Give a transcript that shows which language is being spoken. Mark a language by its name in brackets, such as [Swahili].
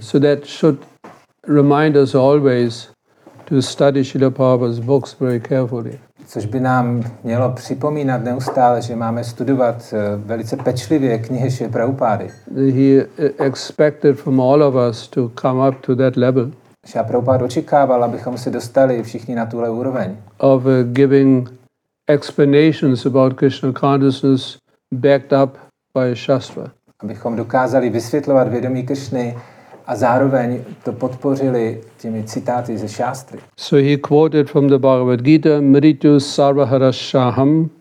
[English] So that should remind us always to study Srila Prabhupada's books very carefully. [Czech] Což by nám mělo připomínat neustále, že máme studovat velice pečlivě knihy Šri Prabhupády. [English] He expected from all of us to come up to that level. [Czech] Šri Prabhupád očekával, abychom se dostali všichni na tuhle úroveň. [English] Of giving explanations about Krishna consciousness backed up by Shastra. [Czech] Abychom dokázali vysvětlovat vědomí Krishny a zároveň to podpořili těmi citáty ze Šástry. [English] So he quoted from the Bhagavad Gita, Mrityu Sarvaharashaham.